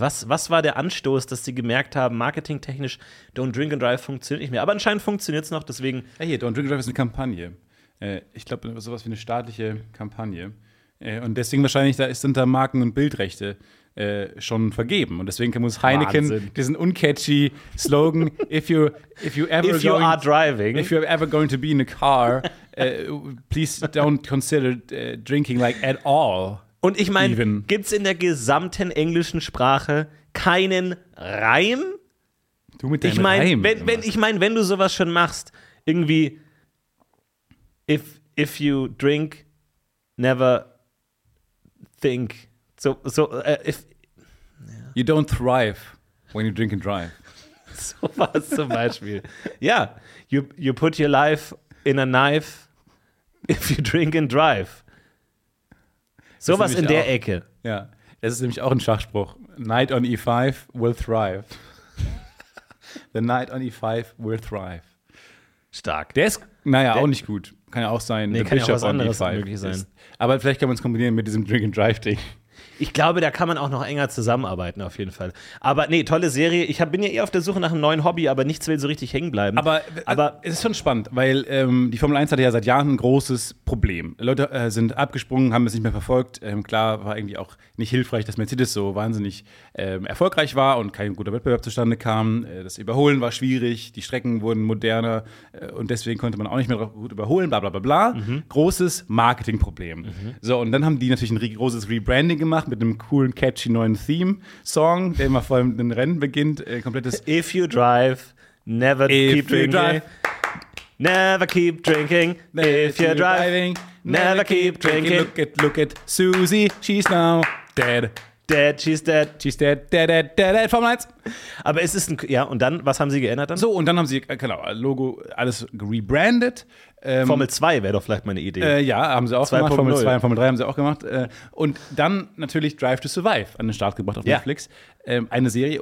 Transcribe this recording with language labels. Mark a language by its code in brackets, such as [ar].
[de] Was war der Anstoß, dass sie gemerkt haben, marketingtechnisch, Don't Drink and Drive funktioniert nicht mehr? Aber anscheinend funktioniert es noch, deswegen. Hey, Don't Drink and Drive ist eine Kampagne. Ich glaube, sowas wie eine staatliche Kampagne. Und deswegen wahrscheinlich, sind da Marken- und Bildrechte schon vergeben. Und deswegen muss Heineken diesen uncatchy Slogan, [en] if you're ever going to be in a car, please don't consider drinking like at all. [de] Und ich meine, gibt's in der gesamten englischen Sprache keinen Reim? Du mit deinem Reim. Wenn du sowas schon machst, irgendwie [en] if you drink, never think. You don't thrive when you drink and drive. [de] So was zum Beispiel. [en] Ja, you put your life in a knife if you drink and drive. [de] Sowas in der Ecke. Ja, das ist nämlich auch ein Schachspruch. [en] Knight on e5 will thrive. The knight on e5 will thrive. [de] Stark. Der ist, auch nicht gut. Kann ja auch sein. Nee, kann ja auch was anderes möglich sein. Aber vielleicht kann man es kombinieren mit diesem Drink and Drive-Ding. Ich glaube, da kann man auch noch enger zusammenarbeiten, auf jeden Fall. Aber nee, tolle Serie. Ich bin ja eh auf der Suche nach einem neuen Hobby, aber nichts will so richtig hängen bleiben. Aber es ist schon spannend, weil die Formel 1 hatte ja seit Jahren ein großes Problem. Leute sind abgesprungen, haben es nicht mehr verfolgt. Klar, war irgendwie auch nicht hilfreich, dass Mercedes so wahnsinnig erfolgreich war und kein guter Wettbewerb zustande kam. Das Überholen war schwierig, die Strecken wurden moderner und deswegen konnte man auch nicht mehr gut überholen, bla bla bla bla. Mhm. Großes Marketingproblem. Mhm. So, und dann haben die natürlich ein großes Rebranding gemacht mit einem coolen, catchy neuen Theme-Song, der immer vor allem ein Rennen beginnt. Komplettes [en] If you drive, never keep drinking. Drive. Never keep drinking. If you're driving, never keep drinking. Look at Susie, she's now dead. Dead, she's dead. She's dead, dead, dead, dead, dead, Formel 1. [de] Aber es ist ein, ja, und dann, was haben sie geändert dann? So, und dann haben sie, genau, Logo, alles rebranded. Formel 2 wäre doch vielleicht meine Idee. Ja, haben sie auch 2. gemacht. 0. Formel 2 und Formel 3 haben sie auch gemacht. Und dann natürlich Drive to Survive an den Start gebracht auf Netflix. Eine Serie.